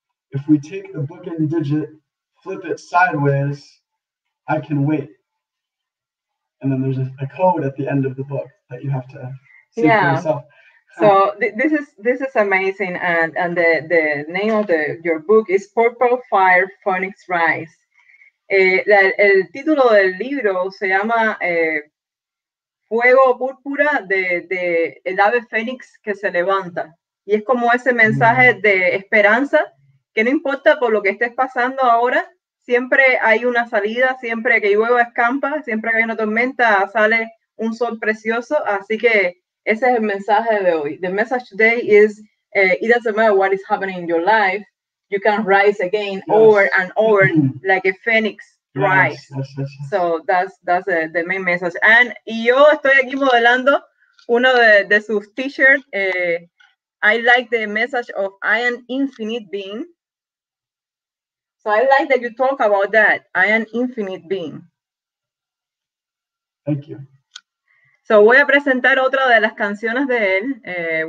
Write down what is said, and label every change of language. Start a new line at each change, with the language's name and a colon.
English: If we take the bookend digit, flip it sideways, I can wait. And then there's a code at the end of the book that you have to say for yourself. So this is amazing, and the name of your book is Purple Fire Phoenix Rise.
Spanish: El título del libro se llama Fuego Púrpura de el ave fénix que se levanta, y es como ese mensaje de esperanza, que no importa por lo que estés pasando ahora, siempre hay una salida, siempre que llueva escampa, siempre que hay una tormenta sale un sol precioso, así que ese es el mensaje de hoy.
English: The message today is, it doesn't matter what is happening in your life, you can rise again over and over like a phoenix rise. So that's the main message. And
Spanish: yo estoy aquí modelando uno de sus t-shirts.
English: I like the message of I am infinite being. So I like that you talk about that. I am infinite being. Thank you.
Spanish: So voy a presentar otra de las canciones de él.